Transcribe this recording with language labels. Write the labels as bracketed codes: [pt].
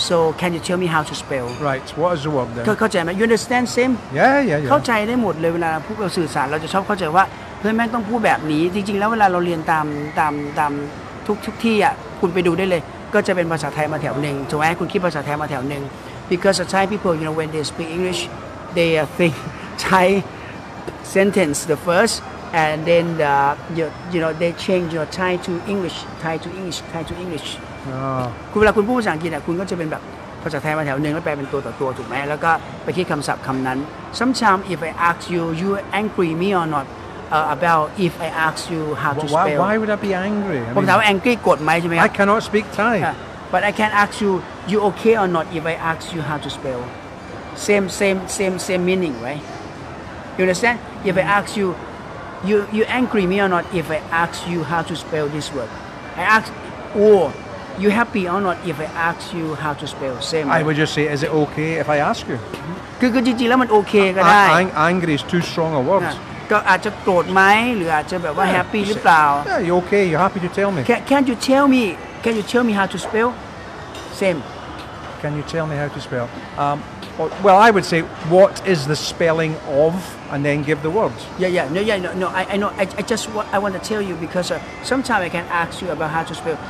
[en] so can you tell me how to spell right what is the word then [th] เข้าใจไหม [en] you understand same yeah [th] เข้าใจได้หมดเลยเวลาพูดเราสื่อสารเราจะชอบเข้าใจว่าเพื่อนแม่งต้องพูดแบบนี้จริงๆแล้วเวลาเราเรียนตามทุกที่อ่ะคุณไปดูได้เลยก็จะเป็นภาษาไทยมาแถวนึงถูกไหมคุณคิดภาษาไทยมาแถวนึง [en] because the Thai people you know when they speak EnglishThey think Thai sentence the first, and then they change your Thai to English, Thai to English, Thai to English. [th] คุณเวลาคุณพูดภาษาอังกฤษอ่ะคุณก็จะเป็นแบบภาษาไทยมาแถวนึงแล้วแปลเป็นตัวถูกไหมแล้วก็ไปคิดคำศัพท์คำนั้น [en] Sometimes if I ask you angry me or not about if I ask you how to spell. Why would I be angry? [th] ผมถามว่า angry โกรธไหมใช่ไหม [en] I cannot speak Thai. But I can ask you okay or not if I ask you how to spell. Same meaning, right? You understand? If I ask you angry me or not if I ask you how to spell this word? I ask, or you happy or not if I ask you how to spell? Same. I would just say, is it okay if I ask you? [th] คือจริงๆแล้วมัน okay ก็ได้ [en] Angry is too strong a word. [th] ก็อาจจะโกรธไหมหรืออาจจะแบบว่า happy หรือเปล่า [en] Yeah, you're okay. You're happy to tell me. Can you tell me how to spell? Same. Can you tell me how to spell? Well, I would say, what is the spelling of, and then give the words. No, I know. I want to tell you because sometimes I can ask you about how to spell.